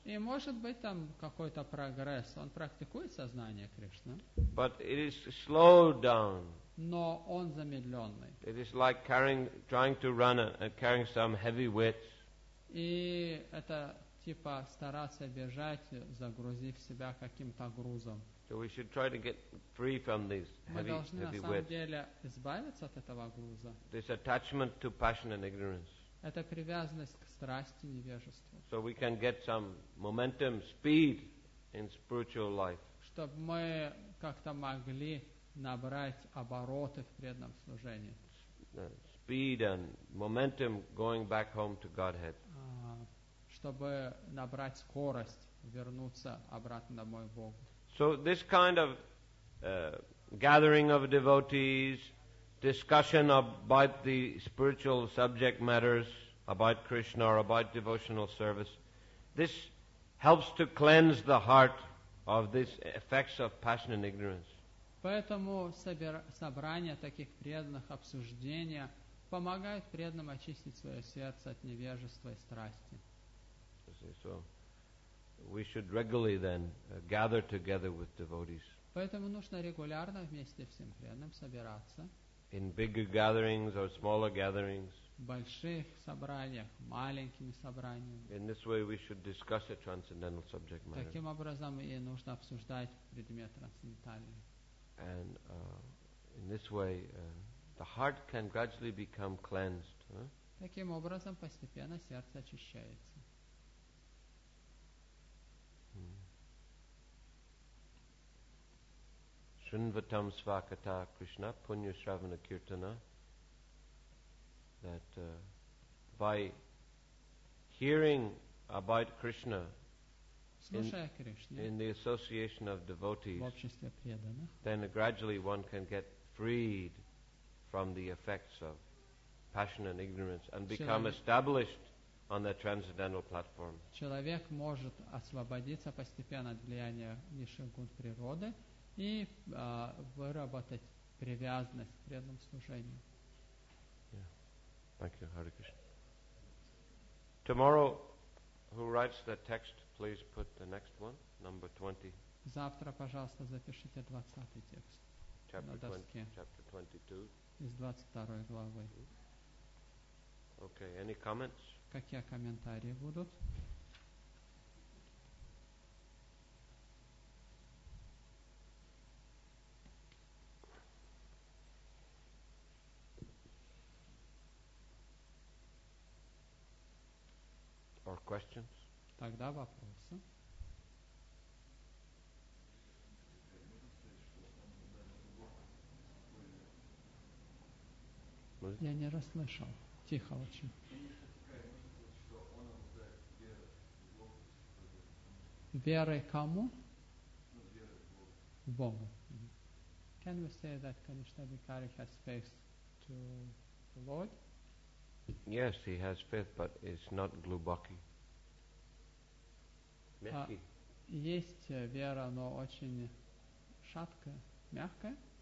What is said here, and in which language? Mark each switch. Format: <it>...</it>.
<ru>И может быть там какой-то прогресс, он практикует сознание Кришны.</ru> <en>But it is slowed down.</en> <ru>Но он замедленный.</ru> <en>It is like trying to run and carrying some heavy weights.</en> <ru>И это типа стараться бежать, загрузив себя каким-то грузом.</ru> <en>So we should try to get free from these heavy weights.</en> <ru>Мы должны на самом деле избавиться от этого груза.</ru> <en>This attachment to passion and ignorance.</en> <ru>Это привязанность к страсти и невежеству.</ru> <en>So we can get some momentum, speed in spiritual life.</en> <ru>Чтобы мы как-то могли набрать обороты в преданном служении.</ru> <en>Speed and momentum going back home to Godhead.</en> <ru>Чтобы набрать скорость, вернуться обратно домой к Богу.</ru> <en>So this kind of gathering of devotees, discussion about the spiritual subject matters, about Krishna or about devotional service, this helps to cleanse the heart of these effects of passion and ignorance.</en> <ru>Поэтому собрание таких преданных, обсуждения помогает преданным очистить свое сердце от невежества и страсти.</ru> <en>So we should regularly then gather together with devotees.</en> <ru>Поэтому нужно регулярно вместе всем преданным собираться.</ru> <en>In bigger gatherings or smaller gatherings.</en> <ru>В больших собраниях, маленькими собраниями.</ru> <en>In this way we should discuss a transcendental subject matter.</en> <ru>Таким образом и нужно обсуждать предмет трансцендентальный.</ru> <en>And in this way the heart can gradually become cleansed.</en> <ru>Таким образом постепенно сердце очищается.</ru> <sa>Shrinvatam svakata Krishna punya shravana kirtana,</sa> <en>that by hearing about Krishna in the association of devotees, then gradually one can get freed from the effects of passion and ignorance and become established on the transcendental platform.</en> <ru>Человек может освободиться постепенно от влияния низших гун природы и выработать привязанность к преданному служению.</ru> <en>Yeah. Thank you, Hare Krishna. Tomorrow, who writes the text, please put the next one, number 20.</en> <ru>Завтра, пожалуйста, запишите 20-й текст на доске.</ru> <en>Chapter 22.</en> <ru>Из 22-й главы.</ru> <en>Okay, any comments?</en> <ru>Какие комментарии будут?</ru> <en>Or questions?</en> <ru>Тогда вопросы. Я не расслышал. Тихо очень. Верой кому? Богу.</ru> <en>Can we say that Kanishtha Bhikkhari has faith to the Lord? Yes, he has faith, but it's not</en> <ru>glubaki. Мягкий. Есть вера, но очень шаткая, мягкая.</ru>